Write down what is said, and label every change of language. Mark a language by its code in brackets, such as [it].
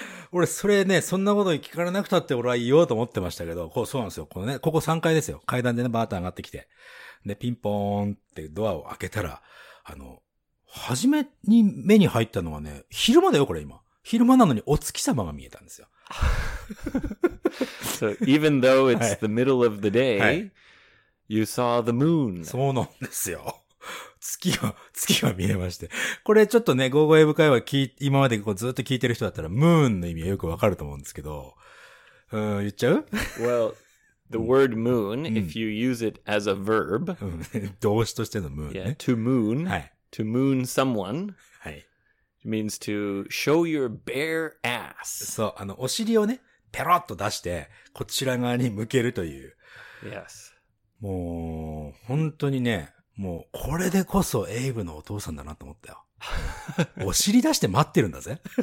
[ja] 俺、それね、そんなことに聞かれなくたって俺は言おうと思ってましたけど、こう、そうなんですよ。このね、ここ3階ですよ。階段でね、バーッと上がってきて。で、ピンポーンってドアを開けたら、初めに目に入ったのはね、昼間だよ、これ今。昼間なのにお月様が見えたんですよ。 [en] So, even though it's the middle of the day,、you saw the moon. [ja] そうなんですよ。月が見えまして。これちょっとね、ゴーゴーエブ会話今までこうずっと聞いてる人だったら、ムーンの意味はよくわかると思うんですけど、言っちゃう [en] ?Well, the word moon,、if you use it as a verb,、 [ja] 動詞としてのムーンね。 [en] Yeah, to moon,、 [ja] はい、 [en] to moon someone,、 [ja] はい、 [en] means to show your bare ass. [ja] そう、お尻をね、ペロッと出して、こちら側に向けるという。 [en] Yes. [ja] もう、本当にね、もう、これでこそエイブのお父さんだなと思ったよ。お尻出して待ってるんだぜ。